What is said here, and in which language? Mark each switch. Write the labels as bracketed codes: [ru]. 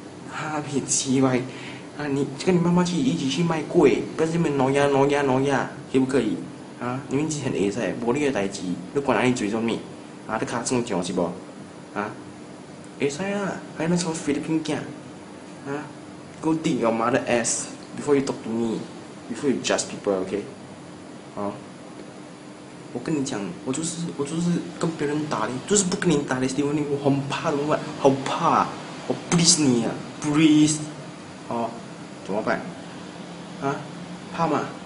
[zh] 哈皮鸡排。啊，你跟你妈妈去一起去卖贵，不要这边挪呀挪呀挪呀，可不可以？啊，你们之前也是，无你个代志，你管哪里嘴上面？啊，你卡中奖是不？啊，也是啊，还能从菲律宾讲？ [en] 啊 ，Go dig your mother ass before you talk to me, before you judge people, OK？ [zh] 啊，我跟你讲，我就是跟别人打的，就是不跟你打的，因为我很怕的，我好怕，我不理你啊 ，please。哦，怎么办？啊，怕吗？